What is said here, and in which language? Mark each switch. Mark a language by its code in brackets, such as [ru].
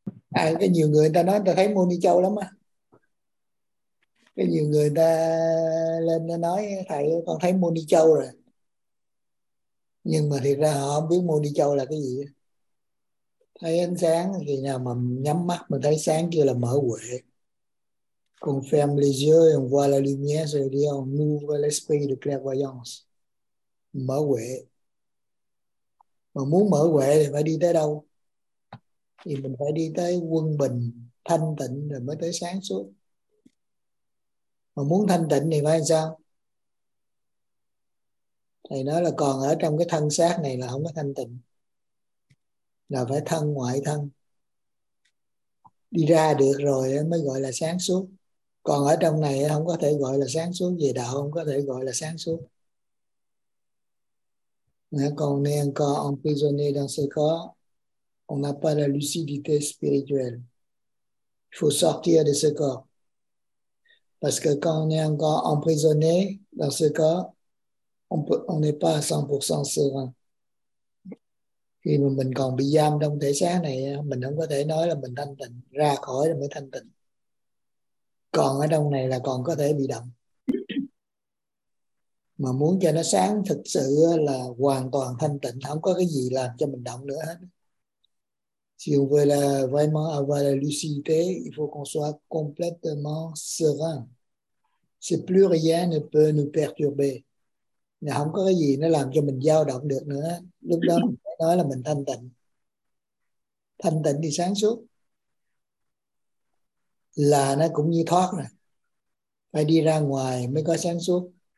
[vi] À, cái nhiều người ta nói ta thấy mô bụi trâu lắm á. Cái nhiều người ta lên nói thầy con thấy Môn Đi Châu rồi, nhưng mà thiệt ra họ không biết Môn Đi Châu là cái gì. Thấy ánh sáng thì nào mà nhắm mắt mình thấy sáng kia là mở huệ. [fr] Con ferme les yeux et on voit la lumière, c'est dire on ouvre l'esprit de clairvoyance. [vi] Mở huệ, mà muốn mở huệ thì phải đi tới đâu? Thì mình phải đi tới quân bình thanh tịnh rồi mới tới sáng suốt. Mà muốn thanh tịnh thì phải làm sao? Thầy nói là còn ở trong cái thân xác này là không có thanh tịnh. Là phải thân ngoại thân. Đi ra được rồi mới gọi là sáng suốt. Còn ở trong này không có thể gọi là sáng suốt gì, đạo không có thể gọi là sáng suốt. Còn nên [fr] encore emprisonné dans ce corps, on n'a pas la lucidité spirituelle. Il faut sortir de ce corps. Parce que quand on est encore emprisonné dans ce corps, on n'est pas à 100% serein. [vi] Khi mà mình còn bị giam trong thể xác này, mình không có thể nói là mình thanh tịnh, ra khỏi là mới thanh tịnh. Còn ở trong này là còn có thể bị động. Mà muốn cho nó sáng thực sự là hoàn toàn thanh tịnh, không có cái gì làm cho mình động nữa hết. [fr] Si on veut la, vraiment avoir la lucidité, il faut qu'on soit complètement serein. C'est plus rien ne peut nous perturber. [vi] Là không có cái gì nó làm cho mình dao động được nữa. Lúc đó mình phải nói là mình thanh tịnh. Thanh tịnh thì sáng suốt. Là nó cũng như thoát nè. Phải đi ra ngoài mới có sáng suốt.